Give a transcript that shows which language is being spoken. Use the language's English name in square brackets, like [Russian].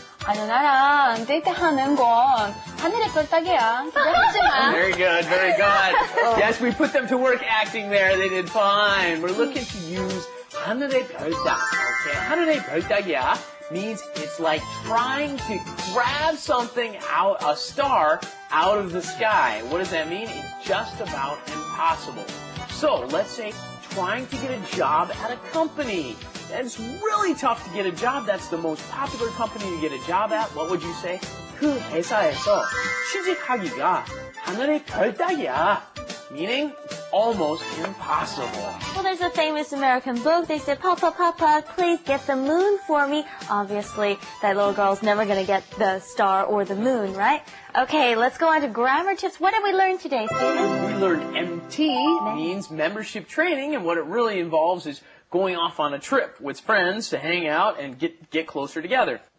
[Korean] 아니, 나랑 데이트 하는 건 하늘의 뿔딱이야. 기다리지 마. [English] Very good, very good. Yes, we put them to work acting there. They did fine. We're looking to use 하늘의 뿔딱. Okay, [Korean] 하늘의 뿔딱이야 [English] means it's like trying to grab something out, a star, out of the sky. What does that mean? It's just about impossible. So, let's say trying to get a job at a company. And it's really tough to get a job. That's the most popular company to get a job at. What would you say? [Korean] 그 회사에서 취직하기가 하늘의 별따기야. [English] Meaning, almost impossible. Well, there's a famous American book. They said, Papa, Papa, please get the moon for me. Obviously, that little girl's never going to get the star or the moon, right? Okay, let's go on to grammar tips. What did we learn today, Stephen? We learned MT means membership training, and what it really involves is going off on a trip with friends to hang out and get closer together.